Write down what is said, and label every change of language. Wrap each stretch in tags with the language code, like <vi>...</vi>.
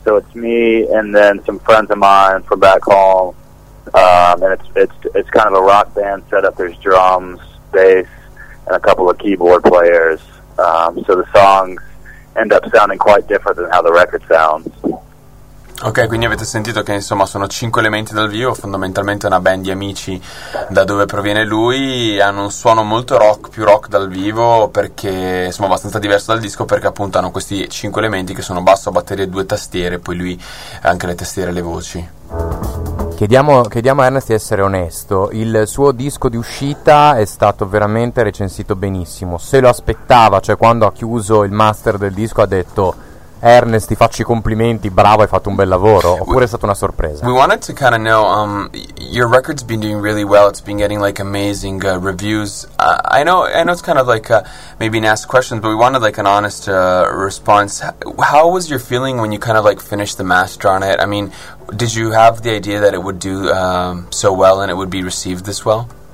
<en>So it's me and then some friends of mine from back home. And it's kind of a rock band setup. There's drums, bass, and a couple of keyboard players. So the songs end up sounding quite different than how the record sounds.</en> <it>Ok, quindi avete sentito che insomma sono cinque elementi dal vivo, fondamentalmente una band di amici da dove proviene lui, hanno un suono molto rock, più rock dal vivo, perché insomma abbastanza diverso dal disco, perché appunto hanno questi cinque elementi che sono basso, batteria e due tastiere, poi lui anche le tastiere e le voci. Chiediamo a Ernest di essere onesto, il suo disco di uscita è stato veramente recensito benissimo, se lo aspettava, cioè quando ha chiuso il master del disco ha detto... Ernest, ti faccio I complimenti, bravo, hai fatto un bel lavoro, oppure è stata una sorpresa?</it> <en>We wanted to kind of know, your record's been doing really well, it's been getting like amazing reviews. I know it's kind of like maybe an asked question, but we wanted like an honest response. How was your feeling when you kind of like finished the master on it? I mean, did you have the idea that it would do so well and it would be received this well?</en>